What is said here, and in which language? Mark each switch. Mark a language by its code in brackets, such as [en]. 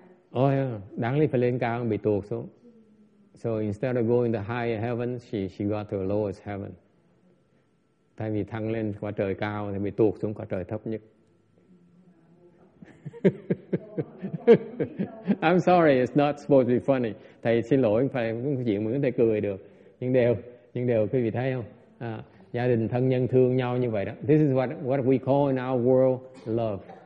[en] Oh yeah. [vi] Đáng lý phải lên cao hơn bị tuột xuống. [en] So instead of going to higher heaven, she got to the lowest heaven. [vi] Thay vì thăng lên quá trời cao thì bị tuột xuống quá trời thấp nhất. [en] I'm sorry, it's not supposed to be funny. [vi] Thầy xin lỗi, phải cũng chuyện mình có thể cười được. Nhưng đều quý vị thấy không? À, gia đình thân nhân thương nhau như vậy đó. [en] This is what we call in our world love.